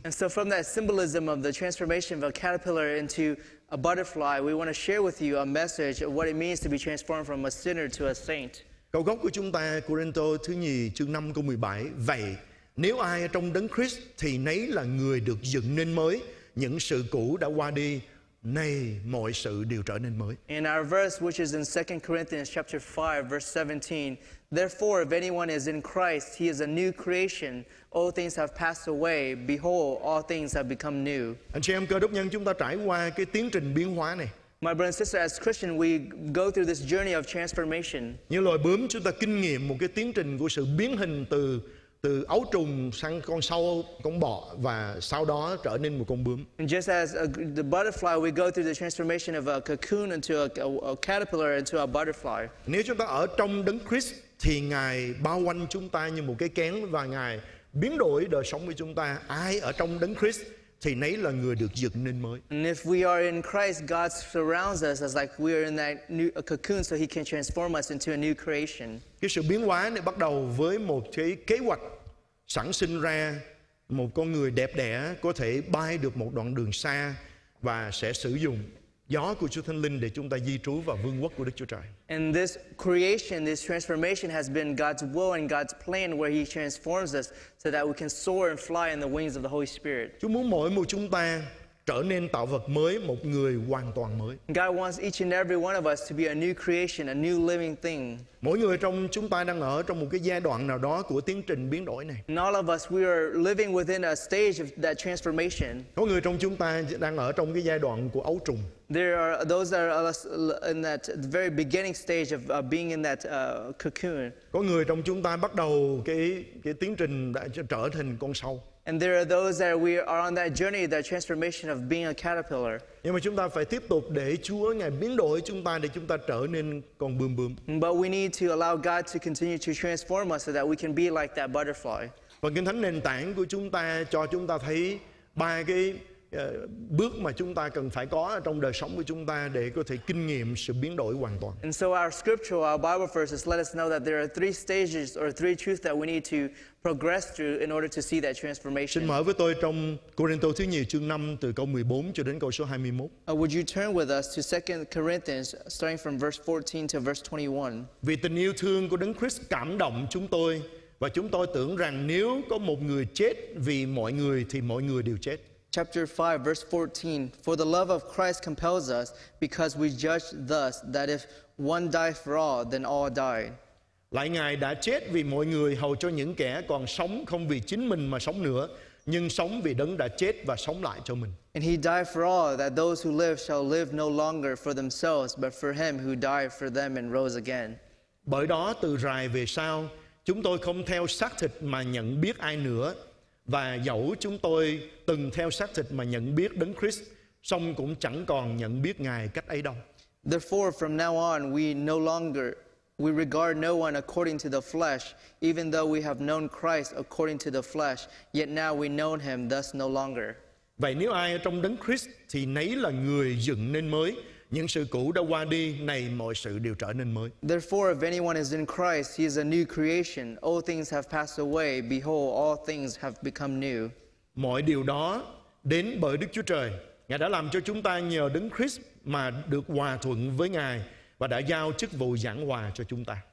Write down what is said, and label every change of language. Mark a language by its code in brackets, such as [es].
[en] And so from that symbolism of the transformation of a caterpillar into a butterfly, we want to share with you a message of what it means to be transformed from a sinner to a saint. [vi] Câu gốc của chúng ta, Corinto thứ nhì chương 5 câu 17, vậy nếu ai trong đấng Christ thì nấy là người được dựng nên mới, những sự cũ đã qua đi, nay mọi sự đều trở nên mới. [en] In our verse which is in 2 Corinthians chapter 5 verse 17, therefore if anyone is in Christ, he is a new creation. All things have passed away, behold all things have become new. [vi] Anh chị em cơ đốc nhân chúng ta trải qua cái tiến trình biến hóa này. [en] My brother and sister, as Christian we go through this journey of transformation. [vi] Như loài bướm chúng ta kinh nghiệm một cái tiến trình của sự biến hình từ ấu trùng sang con sâu, con bọ và sau đó trở nên một con bướm. [en] And just as the butterfly, we go through the transformation of a cocoon into a caterpillar into a butterfly. [vi] Nếu chúng ta ở trong đấng Christ thì Ngài bao quanh chúng ta như một cái kén và Ngài biến đổi đời sống của chúng ta. Ai ở trong đấng Christ thì nấy là người được dựng nên mới. [en] And if we are in Christ, God surrounds us as like we are in that new cocoon so he can transform us into a new creation. [vi] Cái sự biến hóa này bắt đầu với một cái kế hoạch sẵn sinh ra một con người đẹp đẽ có thể bay được một đoạn đường xa và sẽ sử dụng gió của Chúa Thánh Linh để chúng ta di trú vào vương quốc của Đức Chúa Trời. [en] And this creation, this transformation has been God's will and God's plan where he transforms us so that we can soar and fly in the wings of the Holy Spirit. [vi] Chúa muốn mỗi một chúng ta trở nên tạo vật mới, một người hoàn toàn mới. [en] God wants each and every one of us to be a new creation, a new living thing. [vi] Mỗi người trong chúng ta đang ở trong một cái giai đoạn nào đó của tiến trình biến đổi này. [en] And all of us, we are living within a stage of that transformation. [vi] Có người trong chúng ta đang ở trong cái giai đoạn của ấu trùng. [en] There are those that are in that very beginning stage of being in that cocoon. [vi] Có người trong chúng ta bắt đầu cái tiến trình đã trở thành con sâu. [en] And there are those that we are on that journey, that transformation of being a caterpillar. [vi] Nhưng mà chúng ta phải tiếp tục để Chúa Ngài biến đổi chúng ta để chúng ta trở nên con bướm bướm. [en] But we need to allow God to continue to transform us so that we can be like that butterfly. [vi] Và Kinh Thánh nền tảng của chúng ta cho chúng ta thấy ba cái bước mà chúng ta cần phải có trong đời sống của chúng ta để có thể kinh nghiệm sự biến đổi hoàn toàn. [en] And so our scripture, our Bible verses let us know that there are three stages or three truths that we need to progress through in order to see that transformation. [vi] Xin mở với tôi trong Corinto thứ nhì chương 5 từ câu 14 cho đến câu số 21. [en] Would you turn with us to 2 Corinthians starting from verse 14 to verse 21? [vi] Vì tình yêu thương của Đấng Christ cảm động chúng tôi và chúng tôi tưởng rằng nếu có một người chết vì mọi người thì mọi người đều chết. [en] Chapter 5, verse 14. For the love of Christ compels us, because we judge thus, that if one die for all, then all die. [vi] Lại Ngài đã chết vì mọi người, hầu cho những kẻ còn sống không vì chính mình mà sống nữa, nhưng sống vì đấng đã chết và sống lại cho mình. [en] And he died for all, that those who live shall live no longer for themselves, but for him who died for them and rose again. [vi] Bởi đó, từ rày về sau, chúng tôi không theo xác thịt mà nhận biết ai nữa, và dẫu chúng tôi từng theo xác thịt mà nhận biết đấng Christ, song cũng chẳng còn nhận biết Ngài cách ấy đâu. [en] Therefore, from now on, we regard no one according to the flesh, even though we have known Christ according to the flesh, yet now we know him thus no longer. [vi] Vậy nếu ai ở trong đấng Christ thì nấy là người dựng nên mới, những sự cũ đã qua đi, nay mọi sự đều trở nên mới. [en] Therefore, if anyone is in Christ, he is a new creation. All things have passed away, behold, all things have become new. [vi] Mọi điều đó đến bởi Đức Chúa Trời. Ngài đã làm cho chúng ta nhờ đấng Christ mà được hòa thuận với Ngài và đã giao chức vụ giảng hòa cho chúng ta.